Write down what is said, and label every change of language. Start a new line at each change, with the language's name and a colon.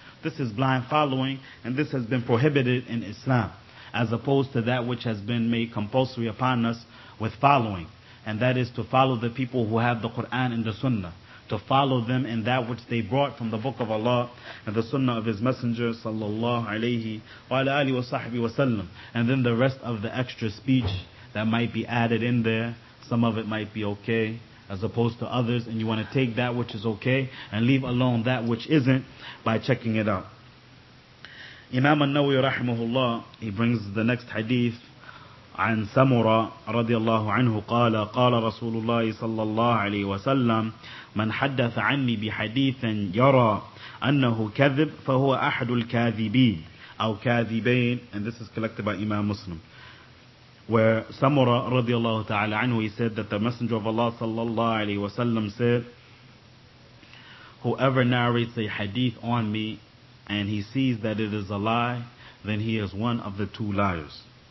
English: This is blind following, and this has been prohibited in Islam, as opposed to that which has been made compulsory upon us with following, and that is to follow the people who have the Quran and the Sunnah, to follow them in that which they brought from the Book of Allah and the Sunnah of His Messenger sallallahu alayhi wa alihi wa sahbihi wa sallam. And then the rest of the extra speech that might be added in there, some of it might be okay as opposed to others, and you want to take that which is okay and leave alone that which isn't by checking it out. Imam An-Nawawi rahimahullah, he brings the next hadith.
Arabic: عن سمرة رضي الله عنه قال قال رسول الله صلى الله عليه وسلم من حدث عني بحديث يرى أنه كذب فهو أحد الكاذبين أو كاذبين.
English: And this is collected by Imam Muslim, where سمرة رضي الله تعالى عنه, he said that the Messenger of Allah صلى الله عليه وسلم said, whoever narrates a hadith on me and he sees that it is a lie, then he is one of the two liars.